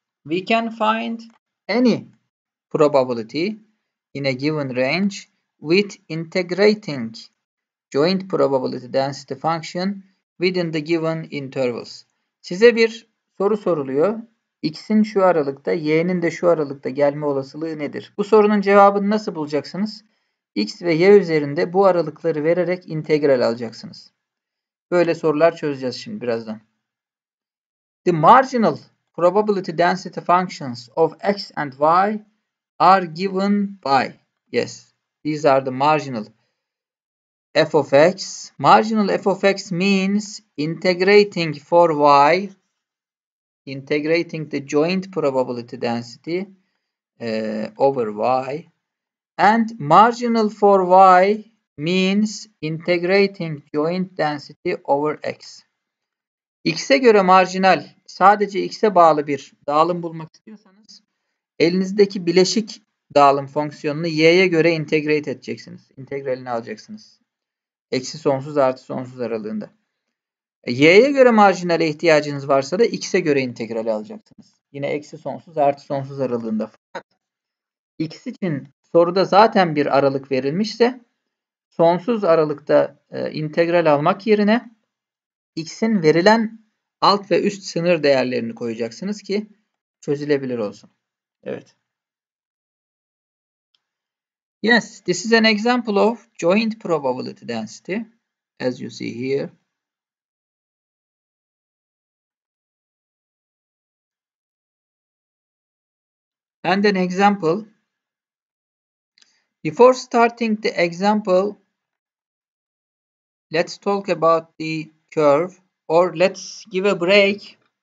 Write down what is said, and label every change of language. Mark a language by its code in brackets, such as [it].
[en] We can find any probability in a given range with integrating joint probability density function within the given intervals. [tr] Size bir soru soruluyor. X'in şu aralıkta, Y'nin de şu aralıkta gelme olasılığı nedir? Bu sorunun cevabını nasıl bulacaksınız? X ve Y üzerinde bu aralıkları vererek integral alacaksınız. Böyle sorular çözeceğiz şimdi birazdan. [en] The marginal probability density functions of X and Y are given by, yes, these are the marginal f of x. Marginal f of x means integrating for y, integrating the joint probability density over y. And marginal for y means integrating joint density over x. [tr] X'e göre marjinal, sadece x'e bağlı bir dağılım bulmak istiyorsanız, elinizdeki bileşik dağılım fonksiyonunu y'ye göre integrate edeceksiniz. İntegralini alacaksınız. Eksi sonsuz artı sonsuz aralığında. Y'ye göre marjinale ihtiyacınız varsa da x'e göre integrali alacaksınız. Yine eksi sonsuz artı sonsuz aralığında. Fakat x için soruda zaten bir aralık verilmişse sonsuz aralıkta integral almak yerine x'in verilen alt ve üst sınır değerlerini koyacaksınız ki çözülebilir olsun. Evet. [en] Yes, this is an example of joint probability density, as you see here. And an example. Before starting the example, let's talk about the curve, or let's give a break.